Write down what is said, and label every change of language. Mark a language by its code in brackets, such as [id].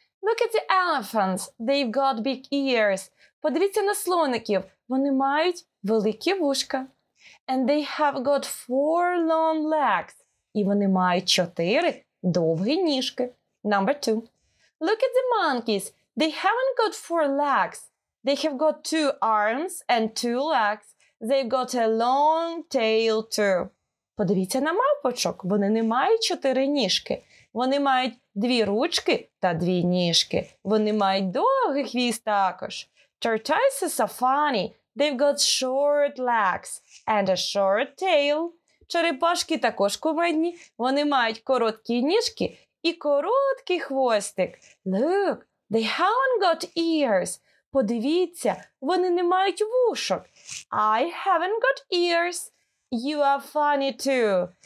[en] Look at the elephants, they've got big ears. [uk] Подивіться на слоників, вони мають великі вушка. [en] And they have got four long legs. [uk] І вони мають чотири довгі ніжки. [en] Number two. Look at the monkeys, they haven't got four legs. They have got two arms and two legs. They've got a long tail too. [uk] Подивіться на мавпочок, вони не мають чотири ніжки. Вони мають дві ручки та дві ніжки. Вони мають довгий хвіст також. [en] Tortoises are funny. They've got short legs and a short tail. [uk] Черепашки також кумедні. Вони мають короткі ніжки і короткий хвостик. [en] Look, they haven't got ears. [uk] Подивіться, вони не мають вушок. [en] I haven't got ears. You are funny too.